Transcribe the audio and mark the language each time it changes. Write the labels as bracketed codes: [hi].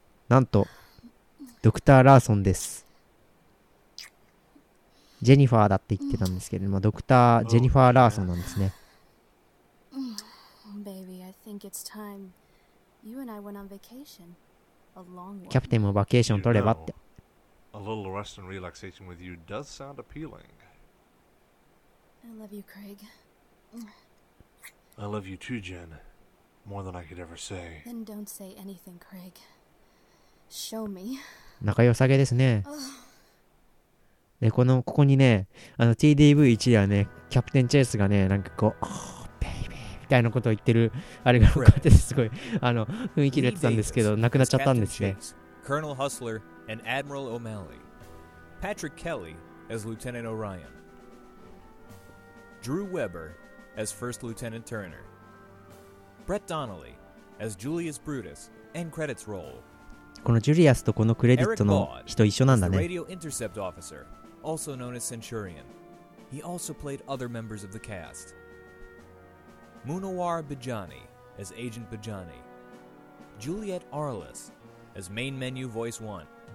[ja] なんと、ドクター・ラーソンです。ジェニファーだって言ってたんですけれども、ドクター・ジェニファー・ラーソンなんですね。キャプテンもバケーション取ればって。 [en] A little rest and relaxation with you does sound appealing. I love you, Craig. I love you too, Jen. More than I could ever say. Then don't say anything, Craig. Show me. [ja] 仲良さげですね。で、このここにね、あの TDV1 ではね、キャプテンチェイスがね、なんかこう。みたいなことを言ってるあれが分かってすごいあの雰囲気でやってたんですけどなくなっちゃったんですね。 [en] Colonel Hustler and Admiral O'Malley. Patrick Kelly as Lieutenant Orion. Drew Weber as First Lieutenant Turner. Brett Donnelly as Julius Brutus. End credits roll. [ja] このジュリアスとこのクレジットの人一緒なんだね。 [en] Radio intercept officer, also known as Centurion. He also played other members of the cast. Munawar Bajani as Agent Bajani. Juliet Arliss as main menu voice one.